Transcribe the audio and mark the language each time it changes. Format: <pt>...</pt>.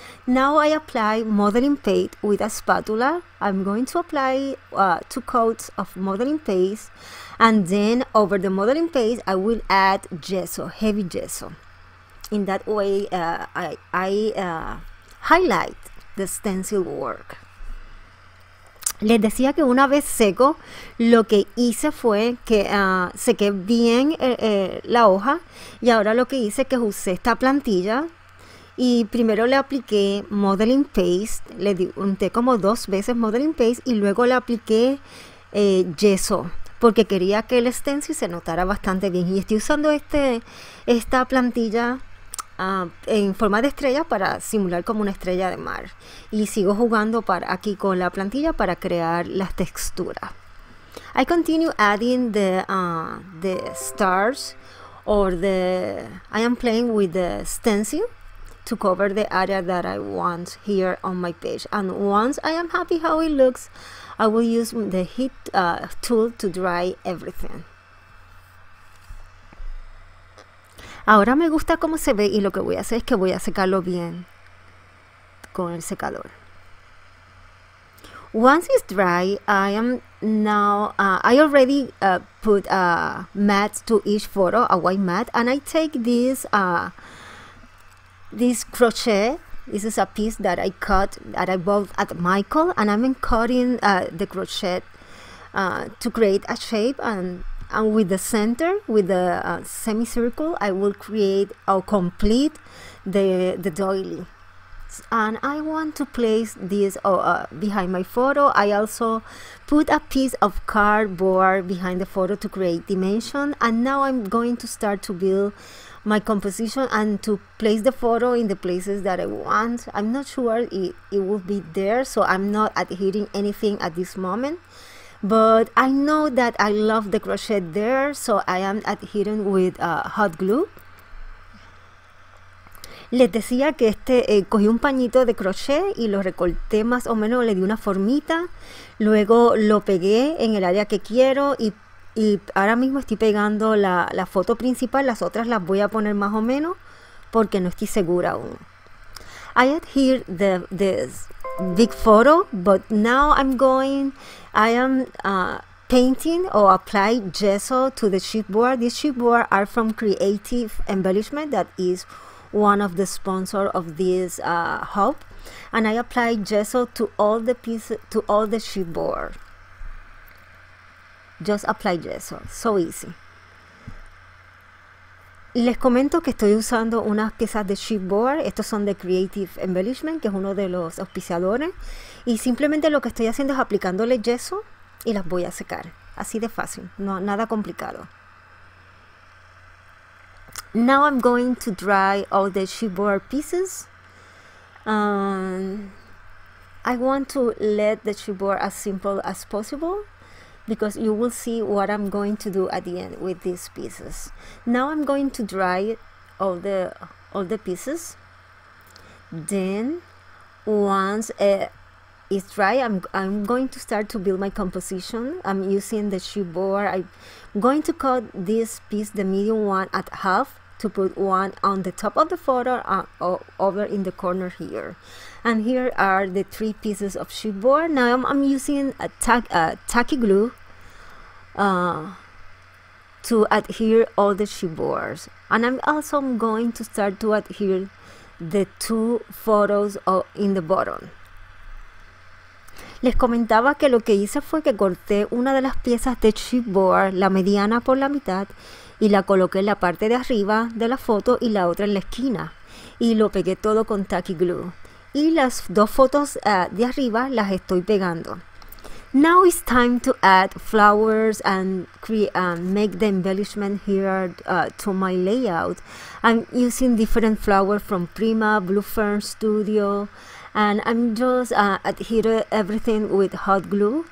<en>Now I apply modeling paint with a spatula. I'm going to apply 2 coats of modeling paint, and then over the modeling paint I will add gesso, heavy gesso. In that way I highlight the stencil work.</en> <es>Les decía que una vez seco, lo que hice fue que sequé bien la hoja, y ahora lo que hice es que usé esta plantilla Y primero le apliqué modeling paste, le di, unté como dos veces modeling paste y luego le apliqué yeso, porque quería que el stencil se notara bastante bien. Y estoy usando esta plantilla en forma de estrella para simular como una estrella de mar. Y sigo jugando para aquí con la plantilla para crear las texturas.</es> <en>I continue adding the stars or the I am playing with the stencil to cover the area that I want here on my page. And once I am happy how it looks, I will use the heat tool to dry everything.</en> <es>Ahora me gusta cómo se ve y lo que voy a hacer es que voy a secarlo bien con el secador.</es> <en>Once it's dry, I am now, I already put a mat to each photo, a white mat, and I take this crochet. This is a piece that I cut, that I bought at Michael, and I've been cutting the crochet to create a shape. And with the center, with the semicircle, I will create or complete the doily. And I want to place this behind my photo. I also put a piece of cardboard behind the photo to create dimension. And now I'm going to start to build my composition and to place the photo in the places that I want. I'm not sure it will be there, so I'm not adhering anything at this moment. But I know that I love the crochet there, so I am adhering with hot glue.</en> <es>Les decía que cogí un pañito de crochet y lo recorté más o menos, le di una formita, luego lo pegué en el área que quiero y ahora mismo estoy pegando la foto principal, las otras las voy a poner más o menos porque no estoy segura aún.</es> <en>I adhere this big photo, but now I am painting or apply gesso to the chipboard. These chipboard are from Creative Embellishment that is one of the sponsor of this hub, and I apply gesso to all the pieces, to all the chipboard. Just apply gesso, so easy.</en> <es>Les comento que estoy usando unas piezas de chipboard. Estos son de Creative Embellishment, que es uno de los auspiciadores. Y simplemente lo que estoy haciendo es aplicándole yeso y las voy a secar. Así de fácil, no, nada complicado.</es> <en>Now I'm going to dry all the chipboard pieces. I want to let the chipboard as simple as possible, because you will see what I'm going to do at the end with these pieces. Now I'm going to dry all the pieces. Then, once it's dry, I'm going to start to build my composition. I'm using the chipboard. I'm going to cut this piece, the medium one, at half to put one on the top of the photo over in the corner here. And here are the three pieces of chipboard. Now I'm using a tacky glue to adhere all the chipboards, and I'm also going to start to adhere the two photos in the bottom.</en> <es>Les comentaba que lo que hice fue que corté una de las piezas de chipboard, la mediana por la mitad, y la coloqué en la parte de arriba de la foto y la otra en la esquina, y lo pegué todo con tacky glue. Y las dos fotos de arriba las estoy pegando.</es> <en>Now it's time to add flowers and make the embellishment here to my layout. I'm using different flowers from Prima, Blue Fern Studio, and I'm just adhering everything with hot glue.</en>